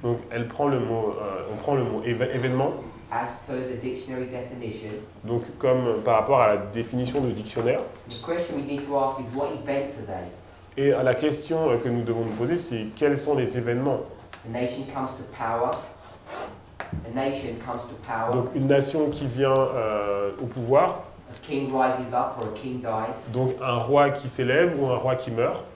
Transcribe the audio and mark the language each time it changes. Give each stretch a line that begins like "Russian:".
French: Donc elle prend le mot, on prend le mot événement.
English: As per the dictionary definition.
French: Donc comme par rapport à la définition du dictionnaire.
English: The question we need to ask is what events are they?
French: Et la question que nous devons nous poser, c'est quels sont les événements?
English: A nation comes to power. A nation comes to power.
French: Donc une nation qui vient au pouvoir.
English: A king rises up or a king dies.
French: Donc un roi qui s'élève ou un roi qui meurt.